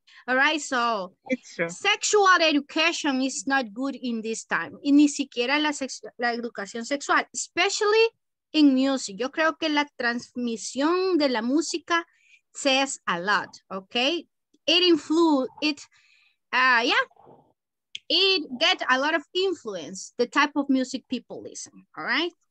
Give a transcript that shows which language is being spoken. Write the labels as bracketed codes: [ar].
[en] All right, so sexual education is not good in this time. [es] Y ni siquiera la educación sexual, [en] especially in music. [es] Yo creo que la transmisión de la música [en] says a lot, okay? It influence, it, yeah. It get a lot of influence, the type of music people listen, all right?